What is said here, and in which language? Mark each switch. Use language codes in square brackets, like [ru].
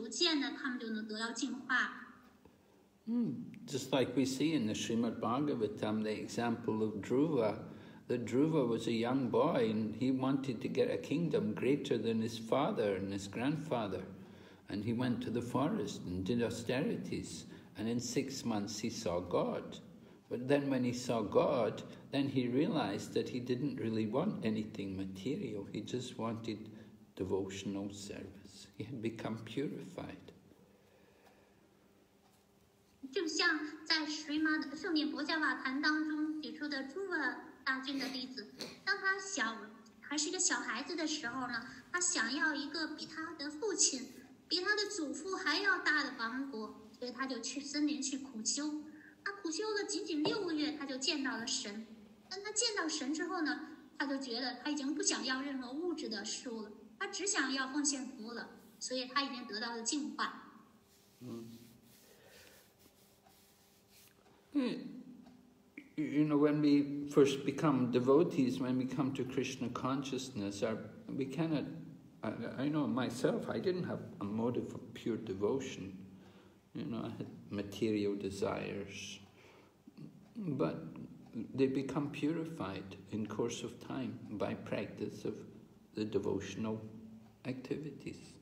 [zh] 虽然他们的动机不纯，不是纯洁的奉献服务，但是他们来对了地方，他们也找对了联谊，所以逐渐的他们就能得到进化。 [en] Just like we see in the Srimad Bhagavatam, the example of Dhruva, that Dhruva was a young boy and he wanted to get a kingdom greater than his father and his grandfather. And he went to the forest and did austerities, and in 6 months he saw God. But then when he saw God, then he realized that he didn't really want anything material. He just wanted devotional service. He had become purified. [zh] 就像在Srimad圣严伯伽瓦坛当中举出的诸佛大君的例子，当他小还是个小孩子的时候呢，他想要一个比他的父亲、比他的祖父还要大的王国，所以他就去森林去苦修。他苦修了仅仅六个月，他就见到了神。但他见到神之后呢，他就觉得他已经不想要任何物质的事物了，他只想要奉献服务了，所以他已经得到了净化。 [en] 嗯，you know, when we first become devotees, when we come to Krishna consciousness, we cannot, I know myself, I didn't have a motive of pure devotion. You know, I had material desires. But they become purified in course of time by practice of the devotional activities.